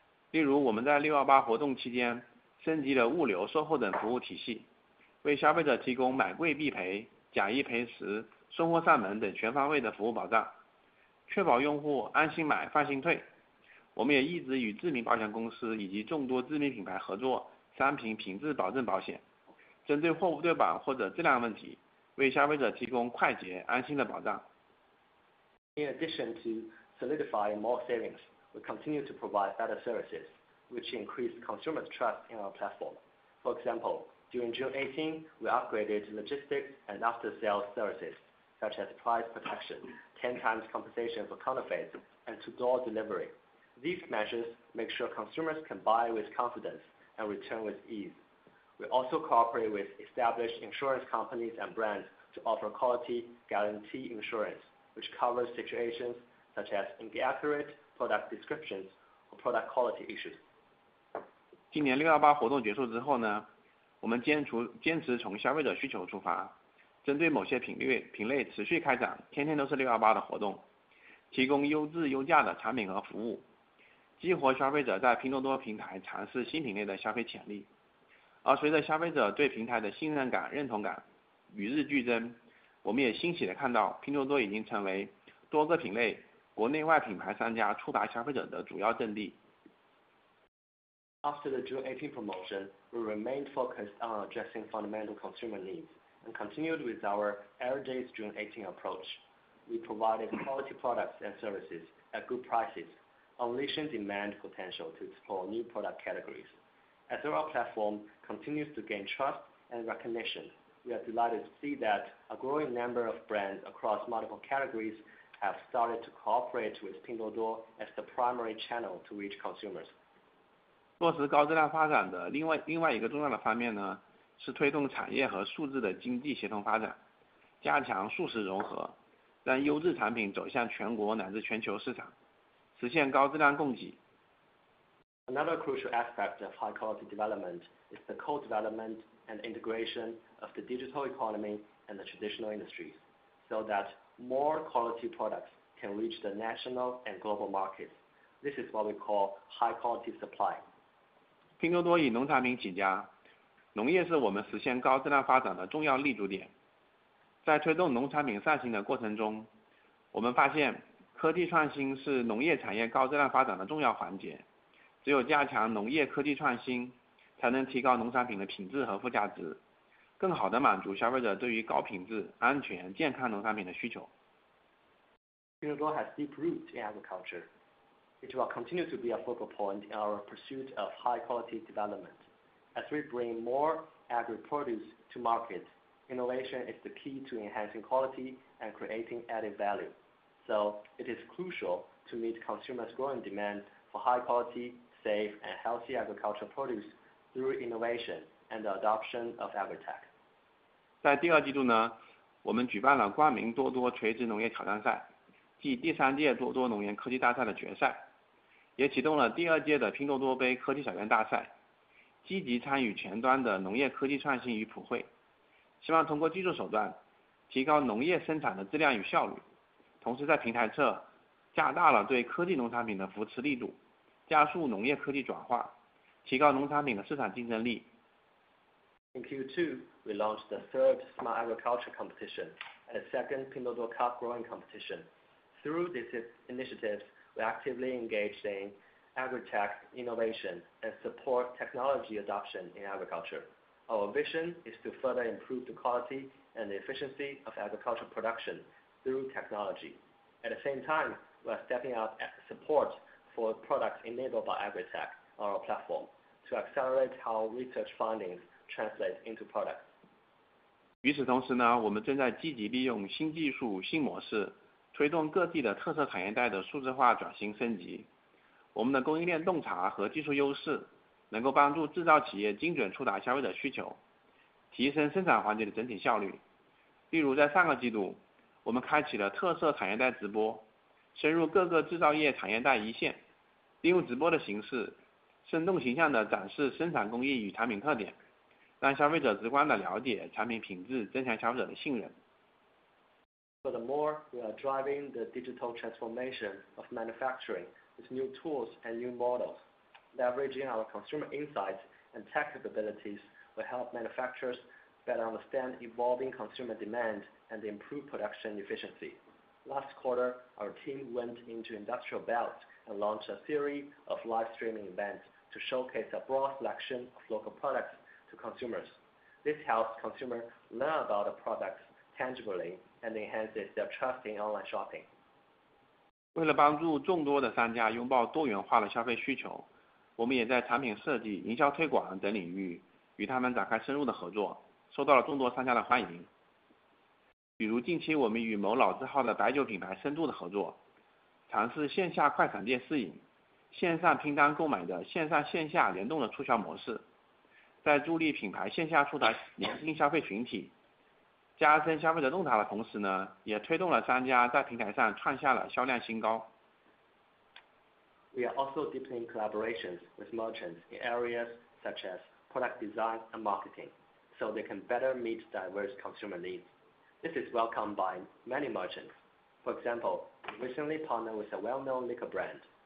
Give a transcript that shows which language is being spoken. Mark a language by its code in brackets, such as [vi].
[zh] 例如，我们在618活动期间升级了物流、售后等服务体系，为消费者提供买贵必赔、假一赔十、送货上门等全方位的服务保障，确保用户安心买、放心退。我们也一直与知名保险公司以及众多知名品牌合作商品品质保证保险，针对货物对保或者质量问题，为消费者提供快捷安心的保障。 [en] In addition to solidifying more savings, we continue to provide better services, which increase consumers' trust in our platform. For example, during June 18, we upgraded logistics and after-sales services, such as price protection, 10 times compensation for counterfeits, and to-door delivery. These measures make sure consumers can buy with confidence and return with ease. We also cooperate with established insurance companies and brands to offer quality guarantee insurance, which covers situations such as inaccurate product descriptions or product quality issues. [zh] 今年618活动结束之后呢，我们坚持从消费者需求出发，针对某些品类持续开展天天都是618的活动，提供优质优价的产品和服务，激活消费者在拼多多平台尝试新品类的消费潜力。而随着消费者对平台的信任感、认同感与日俱增，我们也欣喜地看到拼多多已经成为多个品类国内外品牌商家触达消费者的主要阵地。 [en] After the June 18 promotion, we remained focused on addressing fundamental consumer needs and continued with our everyday June 18 approach. We provided quality products and services at good prices, unleashing demand potential to explore new product categories. As our platform continues to gain trust and recognition, we are delighted to see that a growing number of brands across multiple categories have started to cooperate with Pinduoduo as the primary channel to reach consumers. [zh] 落实高质量发展的另外一个重要的方面呢，是推动产业和数字的经济协同发展，加强数实融合，让优质产品走向全国乃至全球市场，实现高质量供给。 [en] Another crucial aspect of high quality development is the co-development and integration of the digital economy and the traditional industries, so that more quality products can reach the national and global markets. This is what we call high quality supply. [zh] 拼多多以农产品起家，农业是我们实现高质量发展的重要立足点。在推动农产品上行的过程中，我们发现科技创新是农业产业高质量发展的重要环节。只有加强农业科技创新，才能提高农产品的品质和附加值，更好地满足消费者对于高品质、安全、健康农产品的需求。 [en] Pinduoduo has deep roots in agriculture. It will continue to be a focal point in our pursuit of high quality development. As we bring more agri produce to market, innovation is the key to enhancing quality and creating added value. So it is crucial to meet consumers' growing demand for high quality, safe, and healthy agricultural produce through innovation and the adoption of agritech. [zh] 在第二季度呢，我们举办了冠名多多垂直农业挑战赛，即第三届多多农业科技大赛的决赛，也启动了第二届的拼多多杯科技小院大赛，积极参与前端的农业科技创新与普惠，希望通过技术手段提高农业生产的质量与效率，同时在平台侧加大了对科技农产品的扶持力度，加速农业科技转化，提高农产品的市场竞争力。 [en] In Q2, we launched the third Smart Agriculture Competition and the second Pinduoduo Cup Growing Competition. Through these initiatives, we actively engaged in agri-tech innovation and support technology adoption in agriculture. Our vision is to further improve the quality and the efficiency of agricultural production through technology. At the same time, we are stepping up support for products enabled by AgriTech on our platform to accelerate how research findings translate into products. [zh] 与此同时呢，我们正在积极利用新技术、新模式，推动各地的特色产业带的数字化转型升级。我们的供应链洞察和技术优势，能够帮助制造企业精准触达消费者需求，提升生产环节的整体效率。例如，在上个季度，我们开启了特色产业带直播，深入各个制造业产业带一线，利用直播的形式，生动形象地展示生产工艺与产品特点，让消费者直观地了解产品品质，增强消费者的信任。 [en] Furthermore, we are driving the digital transformation of manufacturing with new tools and new models. Leveraging our consumer insights and tech capabilities will help manufacturers better understand evolving consumer demand and improve production efficiency. Last quarter, our team went into industrial belts and launched a series of live streaming events to showcase a broad selection of local products to consumers. This helps consumers learn about the products tangibly and enhances their trust in online shopping. [zh] 为了帮助众多的商家拥抱多元化的消费需求，我们也在产品设计、营销推广等领域与他们展开深入的合作，受到了众多商家的欢迎。比如近期我们与某老字号的白酒品牌深度的合作，尝试线下快闪店试饮、线上拼单购买的线上线下联动的促销模式，在助力品牌线下触达年轻消费群体，加深消费者洞察的同时呢，也推动了商家在平台上创下了销量新高。 [en] We are also deepening collaborations with merchants in areas such as product design and marketing, so they can better meet diverse consumer needs. This is welcomed by many merchants. For example, we recently partnered with a well-known liquor brand.